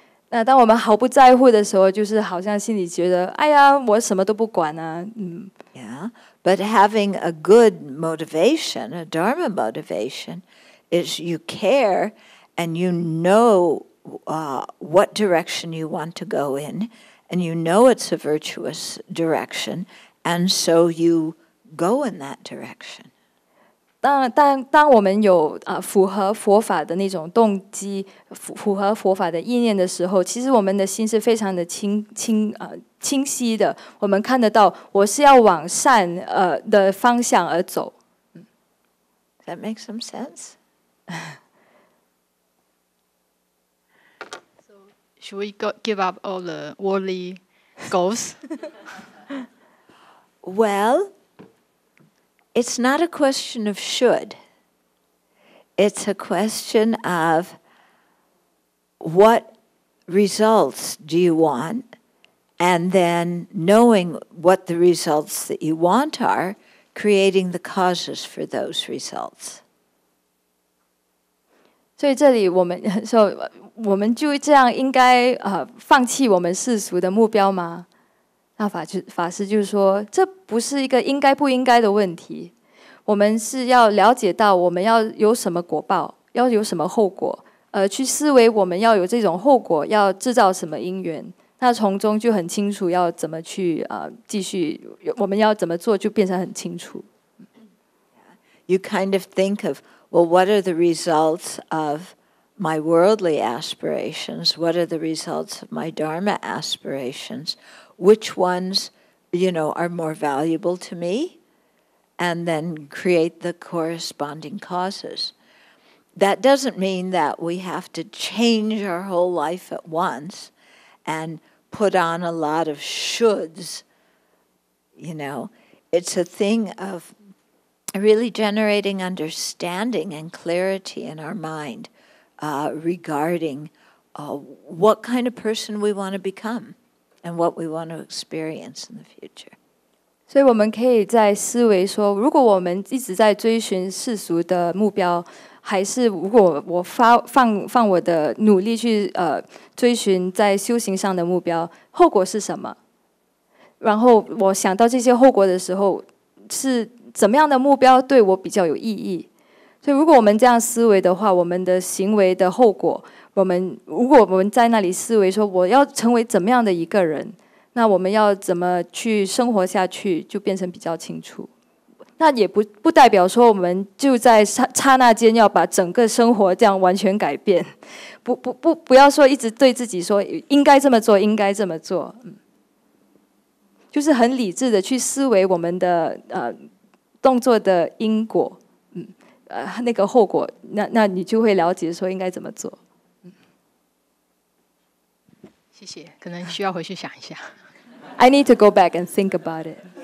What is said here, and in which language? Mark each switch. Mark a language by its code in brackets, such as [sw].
[zh] 那当我们毫不在乎的时候，就是好像心里觉得，哎呀，我什么都不管啊。 [en] Yeah, but having a good motivation, a Dharma motivation, is you care and you know what direction you want to go in, and you know it's a virtuous direction, and so you go in that direction. [zh] 当我们有符合佛法的那种动机，符合佛法的意念的时候，其实我们的心是非常的清晰的。我们看得到，我是要往善的方向而走。 [en] That makes some sense. So should we give up all the worldly goals? Well. It's not a question of should. It's a question of what results do you want? And then knowing what the results that you want are, creating the causes for those results. So here we are. So we should just like this, should we give up our worldly goals? [zh] 那法师就说，这不是一个应该不应该的问题，我们是要了解到我们要有什么果报，要有什么后果，去思维我们要有这种后果，要制造什么因缘，那从中就很清楚要怎么去继续，我们要怎么做就变成很清楚。 [en] You kind of think of, well, what are the results of my worldly aspirations? What are the results of my Dharma aspirations? Which ones, you know, are more valuable to me, and then create the corresponding causes. That doesn't mean that we have to change our whole life at once and put on a lot of shoulds, you know. It's a thing of really generating understanding and clarity in our mind regarding what kind of person we want to become and what we want to experience in the future. [zh] 所以我们可以在思维说，如果我们一直在追寻世俗的目标，还是如果我放我的努力去追寻在修行上的目标，后果是什么？然后我想到这些后果的时候，是怎么样的目标对我比较有意义？所以如果我们这样思维的话，我们的行为的后果，我们如果我们在那里思维说我要成为怎么样的一个人，那我们要怎么去生活下去，就变成比较清楚。那也 不代表说我们就在刹那间要把整个生活这样完全改变， 不要说一直对自己说应该这么做应该这么做，就是很理智的去思维我们的动作的因果，那个后果， 那你就会了解说应该怎么做。谢谢，可能需要回去想一下。 [en] I need to go back and think about it.